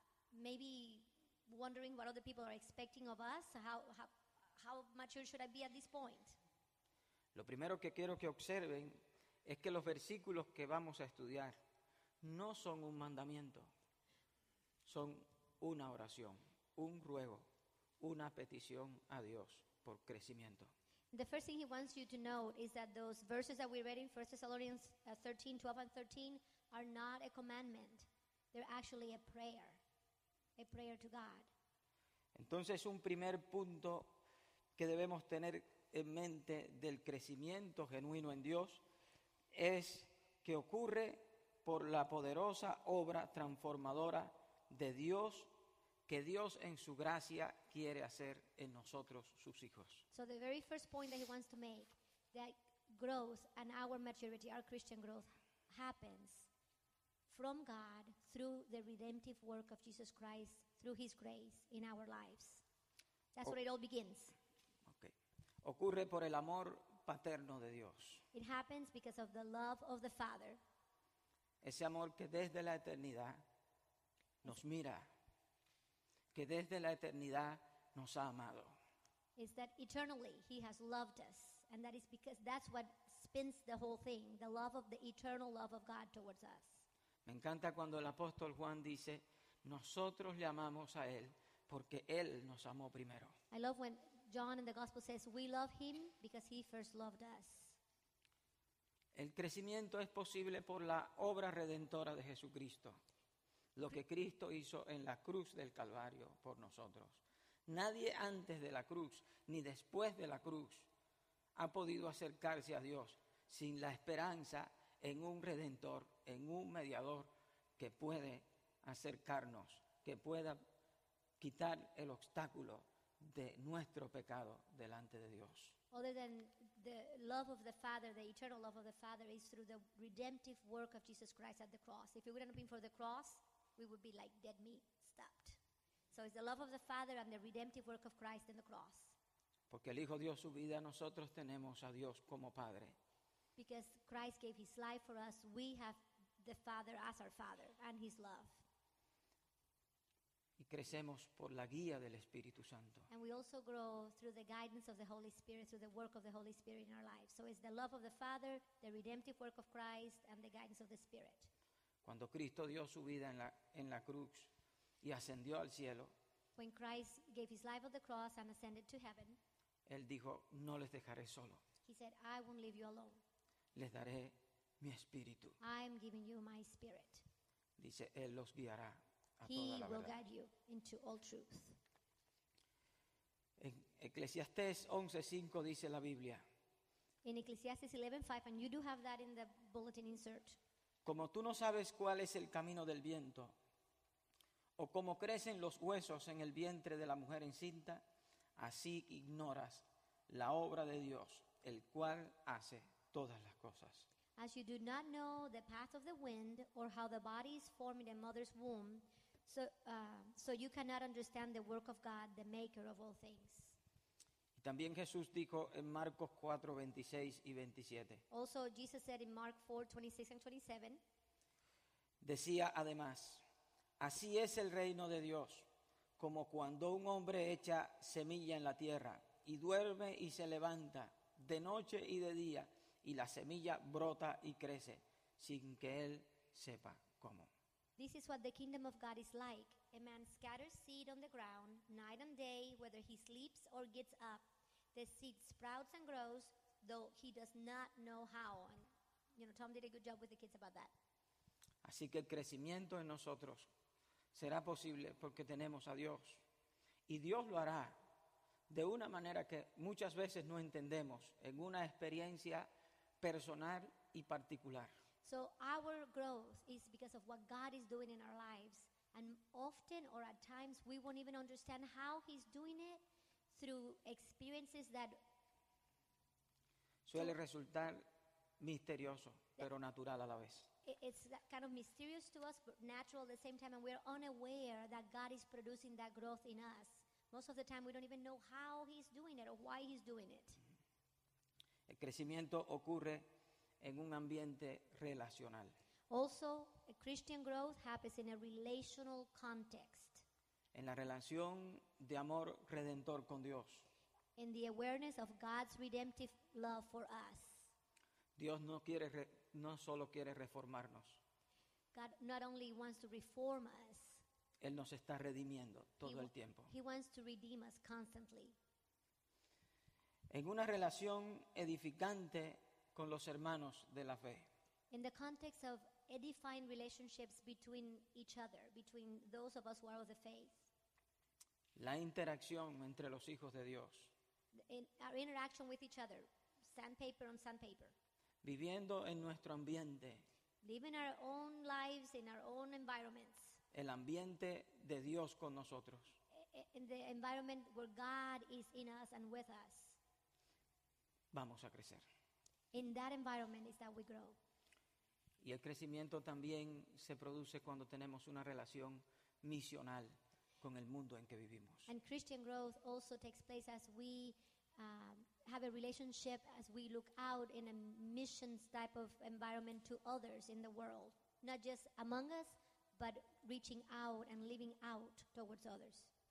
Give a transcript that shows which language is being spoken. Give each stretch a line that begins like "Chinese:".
English: Maybe wondering what other people are expecting of us? How mature should I be at this point?
Spanish: Lo primero que quiero que observen es que los versículos que vamos a estudiar no son un mandamiento, son una oración, un ruego, una petición a Dios por crecimiento.
English: The first thing he wants you to know is that those verses that we read in 1 Thessalonians 13, 12 and 13 are not a commandment. They're actually a prayer to God.
Spanish: Entonces, un primer punto que debemos tener en mente del crecimiento genuino en Dios es que ocurre por la poderosa obra transformadora de Dios que Dios en su gracia quiere hacer en nosotros sus hijos.
English: So the very first point that he wants to make, that growth and our maturity, our Christian growth, happens from God through the redemptive work of Jesus Christ, through His grace in our lives. That's where it all begins.
Spanish: Okay. Ocurre por el amor paterno de Dios.
English: It happens because of the love of the Father.
Spanish: Ese amor que desde la eternidad nos mira, que desde la eternidad nos ha amado.
English: Is that eternally He has loved us, and that is because that's what spins the whole thing, the love of the eternal love of God towards us.
Spanish: Me encanta cuando el apóstol Juan dice, nosotros le amamos a Él porque Él nos amó primero.
English: I love when John in the Gospel says, we love Him because He first loved us.
Spanish: El crecimiento es posible por la obra redentora de Jesucristo, lo que Cristo hizo en la cruz del Calvario por nosotros. Nadie antes de la cruz ni después de la cruz ha podido acercarse a Dios sin la esperanza en un redentor, en un mediador que puede acercarnos, que pueda quitar el obstáculo de nuestro pecado delante de Dios.
English: Other than the love of the Father, the eternal love of the Father is through the redemptive work of Jesus Christ at the cross. If it wouldn't have been for the cross, we would be like dead meat, stopped. So it's the love of the Father and the redemptive work of Christ in the cross.
Spanish: Porque el Hijo dio su vida, nosotros tenemos a Dios como Padre.
English: Because Christ gave His life for us, we have the Father as our Father and His love.
Spanish: Y crecemos por la guía del Espíritu Santo.
English: And we also grow through the guidance of the Holy Spirit, through the work of the Holy Spirit in our lives. So it's the love of the Father, the redemptive work of Christ, and the guidance of the Spirit.
Spanish: Cuando Cristo dio su vida en la cruz y ascendió al cielo,
English: when Christ gave His life on the cross and ascended to heaven,
Spanish: Él dijo, no les dejaré solo.
English: He said, I won't leave you alone.
Spanish: Les daré mi Espíritu.
English: I'm giving you my Spirit.
Spanish: Dice, Él los guiará.
English: He will guide you into all truth.
Spanish: En Eclesiastés 11:5 dice la Biblia.
English: In Ecclesiastes 11:5, and you do have that in the bulletin insert.
Spanish: Como tú no sabes cuál es el camino del viento, o cómo crecen los huesos en el vientre de la mujer encinta, así ignoras la obra de Dios, el cual hace todas las cosas.
English: As you do not know the path of the wind or how the body is formed in a mother's womb, so you cannot understand the work of God, the maker of all things.
Spanish: También Jesús dijo en Marcos 4, 26 y 27.
English: Also Jesus said in Mark 4, 26 and 27.
Spanish: Decía además, así es el reino de Dios, como cuando un hombre echa semilla en la tierra y duerme y se levanta de noche y de día, y la semilla brota y crece sin que él sepa cómo.
English: This is what the kingdom of God is like. A man scatters seed on the ground night and day, whether he sleeps or gets up. The seed sprouts and grows, though he does not know how. And, you know, Tom did a good job with the kids about that.
Spanish: Así que el crecimiento en nosotros será posible porque tenemos a Dios. Y Dios lo hará de una manera que muchas veces no entendemos, en una experiencia personal y particular.
English: So our growth is because of what God is doing in our lives. And often or at times we won't even understand how He's doing it through experiences that
Spanish: suele resultar misterioso, pero natural a la vez.
English: It's kind of mysterious to us, but natural at the same time, and we're unaware that God is producing that growth in us. Most of the time we don't even know how He's doing it or why He's doing it.
Spanish: El crecimiento ocurre en un ambiente relacional.
English: Also, a Christian growth happens in a relational context.
Spanish: En la relación de amor redentor con Dios.
English: In the awareness of God's redemptive love for us.
Spanish: Dios no solo quiere reformarnos.
English: God not only wants to reform us.
Spanish: Él nos está redimiendo todo el tiempo.
English: He wants to redeem us constantly.
Spanish: En una relación edificante con los hermanos de la fe.
English: In the context of edifying relationships between each other, between those of us who are of the faith.
Spanish: La interacción entre los hijos de Dios.
English: Our interaction with each other, sandpaper on sandpaper.
Spanish: Viviendo en nuestro ambiente.
English: Living our own lives in our own environments.
Spanish: El ambiente de Dios con nosotros.
English: In the environment where God is in us and with us.
Spanish: Vamos a crecer.
English: In that environment is that we grow.
Spanish: Y el crecimiento también se produce cuando tenemos una relación misional con el mundo en que vivimos.
English: And Christian growth also takes place as we have a relationship, as we look out in a missions type of environment to others in the world, not just among us, but reaching out and living out towards others.